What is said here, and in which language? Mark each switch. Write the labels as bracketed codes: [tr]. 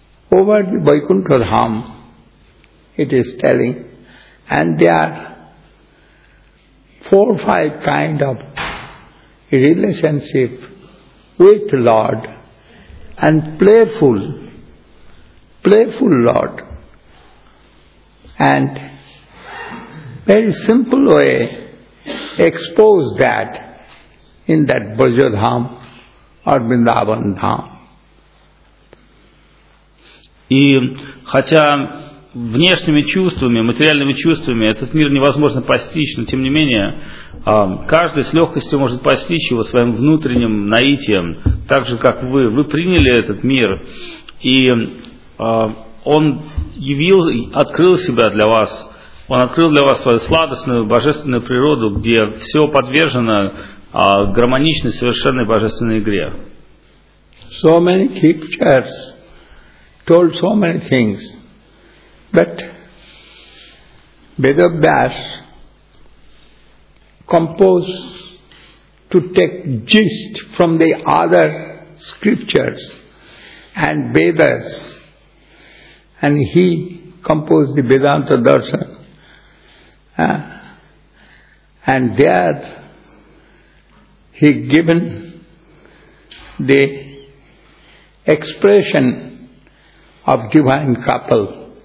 [en] Over the Vaikuntha Dham, it is telling, and there are four or five kind of relationship with Lord, and playful Lord, and very simple way expose that in that Brajadham or Vrindavan Dham. [ru] И хотя внешними чувствами, материальными чувствами этот мир невозможно постичь, но тем не менее каждый с легкостью может постичь его своим внутренним наитием, так же как вы приняли этот мир, и он явил, открыл себя для вас, он открыл для вас свою сладостную божественную природу, где все подвержено гармоничной совершенной божественной игре. [en] So many pictures told so many things. But Vedavyas composed to take gist from the other scriptures and Vedas, and he composed the Vedanta Darshan, and there he given the expression of divine couple.